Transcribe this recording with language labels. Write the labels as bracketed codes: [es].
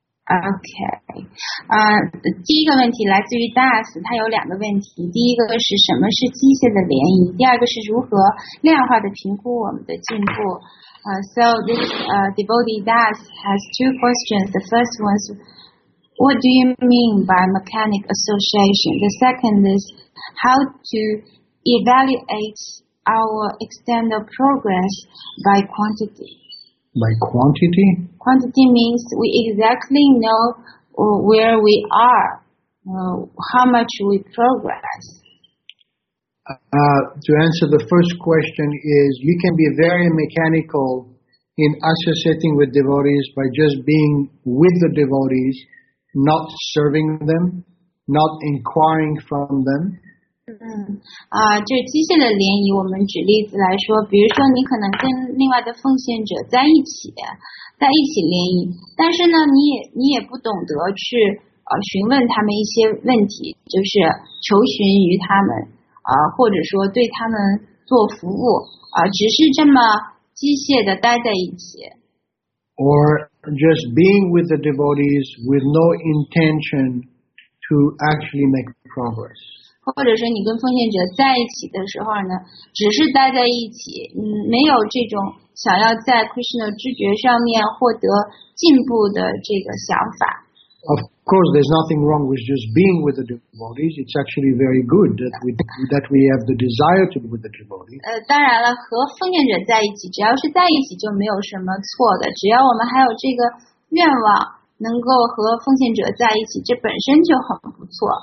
[zh] OK， 第一个问题来自于 Das， 他有两个问题，第一个是什么是机械的涟漪，第二个是如何量化的评估我们的进步。 [en] So this devotee Das has two questions. The first one is, what do you mean by mechanic association? The second is, how to evaluate our external progress by quantity? By quantity? Quantity means we exactly know where we are, how much we progress. To answer the first question is, you can be very mechanical in associating with devotees by just being with the devotees, not serving them, not inquiring from them. [zh] 就是机械的联谊，我们举例子来说，比如说你可能跟另外的奉献者在一起联谊，但是呢你也不懂得去询问他们一些问题，就是求询于他们或者说对他们做服务只是这么机械的待在一起。 [en] Or just being with the devotees with no intention to actually make progress. [zh] 或者是你跟奉献者在一起的时候呢，只是待在一起，没有这种想要在 Krishna 知觉上面获得进步的这个想法。 [en] Of course, there's nothing wrong with just being with the devotees. It's actually very good that we have the desire to be with the devotees. [zh] 当然了，和奉献者在一起，只要是在一起就没有什么错的。只要我们还有这个愿望，能够和奉献者在一起，这本身就很不错。